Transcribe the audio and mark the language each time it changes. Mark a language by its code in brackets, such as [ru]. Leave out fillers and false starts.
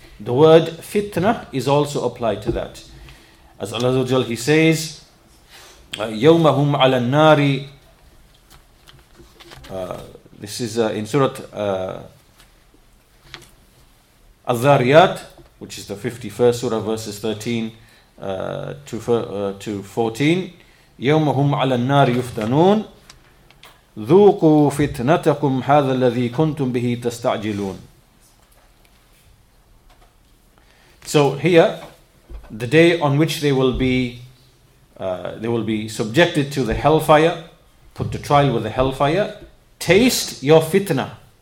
[en] The word fitna is also applied to that. As Allah Azza wa Jal, He says, [ar] yawmahum ala nari. [en] This is in Surah Al-Dhariyat, which is the 51st surah, verses 13 to 14. [ar] Yawmahum ala nari yuftanun. ذوقوا فتنتكم هذا الذي كنتم به تستعجلون. [en] So here, the day on which they will be subjected to the hellfire, put to trial with the hellfire, taste your fitna.